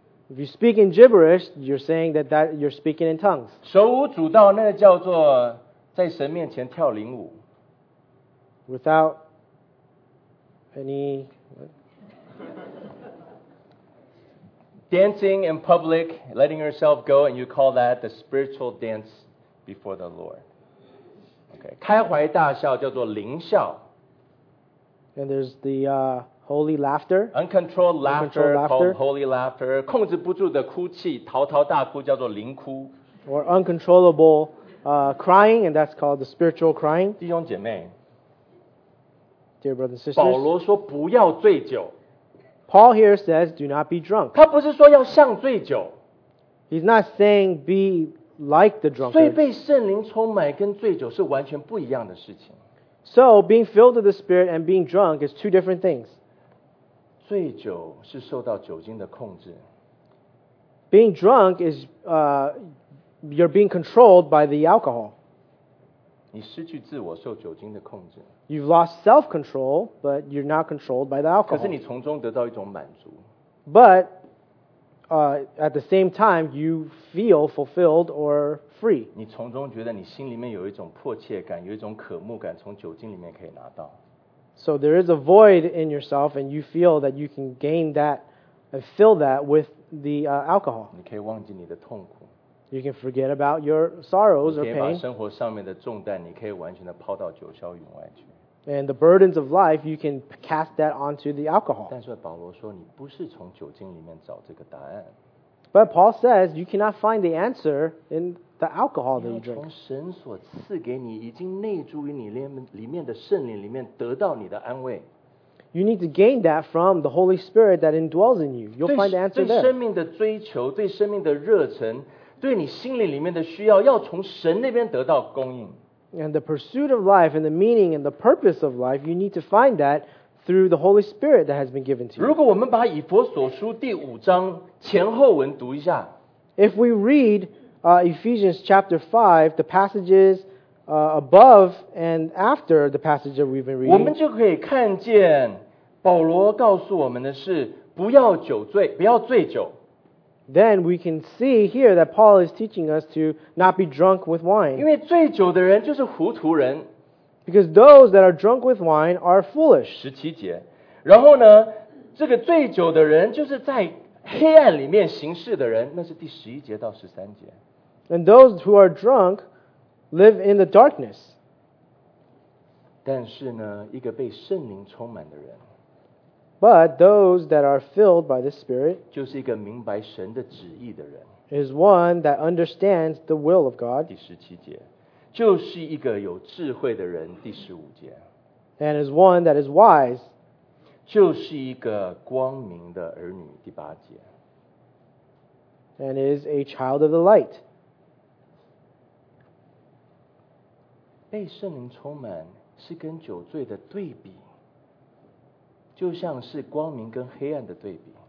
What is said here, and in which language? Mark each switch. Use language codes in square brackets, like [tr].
[en] If you speak in gibberish, you're saying that you're speaking in tongues. [zh] 手舞足蹈那个叫做在神面前跳灵舞。 [en] Without any dancing in public, letting yourself go, and you call that the spiritual dance before the Lord. [zh] Okay, 开怀大笑叫做灵笑。 [en] And there's the holy laughter. Uncontrolled laughter called holy laughter. [zh] 控制不住的哭泣，嚎啕大哭叫做灵哭。 [en] Or uncontrollable crying, and that's called the spiritual crying. [zh] 弟兄姐妹。 [en] Dear brothers and sisters, [zh] 保罗说不要醉酒。 [en] Paul here says, do not be drunk. [zh] 他不是说要像醉酒。 [en] He's not saying be like the drunkards. [zh] 所以被圣灵充满跟醉酒是完全不一样的事情。 [en] So being filled with the Spirit and being drunk is two different things. [zh] 醉酒是受到酒精的控制。 [en] Being drunk is, you're being controlled by the alcohol. [zh] 你失去自我，受酒精的控制。 [en] You've lost self-control, but you're not controlled by the alcohol. [zh] 可是你从中得到一种满足。 [en] But, at the same time, you feel fulfilled or free. [zh] 你从中觉得你心里面有一种迫切感，有一种渴慕感，从酒精里面可以拿到。 [en] So there is a void in yourself, and you feel that you can gain that, and fill that with the alcohol. [zh] 你可以忘记你的痛苦。 [en] You can forget about your sorrows or pain. [zh] 你可以把生活上面的重担，你可以完全的抛到九霄云外去。 [en] And the burdens of life, you can cast that onto the alcohol. [zh] 但是保罗说，你不是从酒精里面找这个答案。 [en] But Paul says you cannot find the answer in the alcohol that you drink. [zh] 你要从神所赐给你，已经内住于你里面的圣灵里面得到你的安慰。 [en] You need to gain that from the Holy Spirit that indwells in you. You'll find the answer there. [zh] 对生命的追求，对生命的热忱。对你心灵里面的需要，要从神那边得到供应。 [en] And the pursuit of life and the meaning and the purpose of life, you need to find that through the Holy Spirit that has been given to you. [zh] 如果我们把以弗所书第五章前后文读一下。 [en] If we read Ephesians chapter 5, the passages above and after the passage that we've been reading, [zh] 我们就可以看见保罗告诉我们的是不要酒醉，不要醉酒。 [en] Then we can see here that Paul is teaching us to not be drunk with wine. [zh] 因为醉酒的人就是糊涂人。 [en] Because those that are drunk with wine are foolish. [zh] 十七节，然后呢，这个醉酒的人就是在黑暗里面行事的人，那是第十一节到十三节。 [en] And those who are drunk live in the darkness. [zh] 但是呢，一个被圣灵充满的人。 [en] But those that are filled by the Spirit [zh] 就是一个明白神的旨意的人 [en] is one that understands the will of God. [zh] 第十七节，就是一个有智慧的人。第十五节 [en] and is one that is wise. [zh] 就是一个光明的儿女。第八节 [en] and is a child of the light. [zh] 被圣灵充满是跟酒醉的对比。就像是光明跟黑暗的对比。